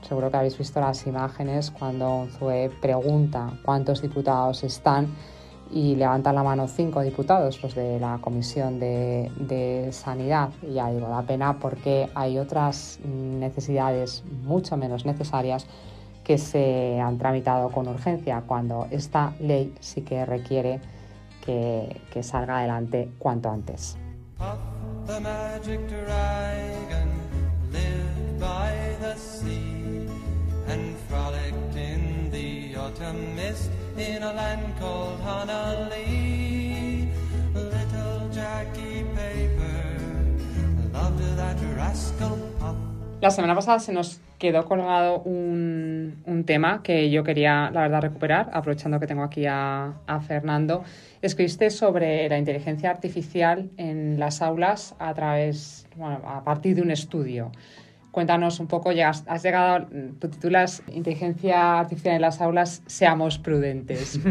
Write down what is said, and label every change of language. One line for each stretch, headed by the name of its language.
Spanish: Seguro que habéis visto las imágenes cuando Unzué pregunta cuántos diputados están y levantan la mano 5 diputados, pues, de la Comisión de Sanidad. Y ya digo, da pena, porque hay otras necesidades mucho menos necesarias que se han tramitado con urgencia, cuando esta ley sí que requiere que salga adelante cuanto antes.
English: Puff the magic dragon lived by the sea and frolicked in the autumn mist in a land called Hanalei. Little Jackie Paper loved that rascal Puff.
Spanish: La semana pasada se nos quedó colgado un tema que yo quería, la verdad, recuperar, aprovechando que tengo aquí a Fernando. Escribiste sobre la inteligencia artificial en las aulas a partir de un estudio. Cuéntanos un poco, tu titulas Inteligencia Artificial en las aulas, seamos prudentes.